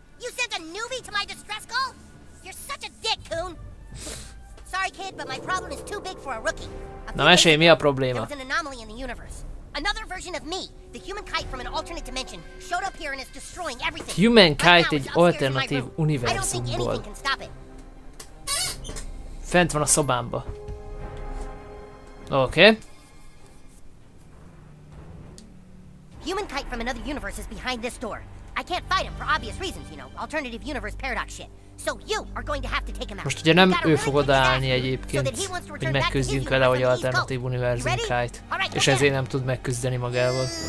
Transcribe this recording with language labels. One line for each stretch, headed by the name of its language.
English: You sent a newbie to my distress call? You're such a dick, Coon. Sorry kid, but my problem is too big for a rookie.
Hungarian: Na, mesélj, mi a probléma?
English: Another version of me, the human kite from an alternate dimension, showed up here and is destroying everything.
Hungarian: Human kite, egy alternatív univerzumból.
English: I don't think anything can stop it.
Hungarian: Fent van a szobámba. Oké. Okay.
English: Human kite from another universe is behind this door. I can't fight him for obvious reasons, you know, alternative universe paradox shit. So you are going to have to take him out.
Hungarian: Most ugye nem ő fog odaállni egyébként, hogy megküzdjünk vele, hogy alternatív univerzum kite. És ezért nem tud megküzdeni magával.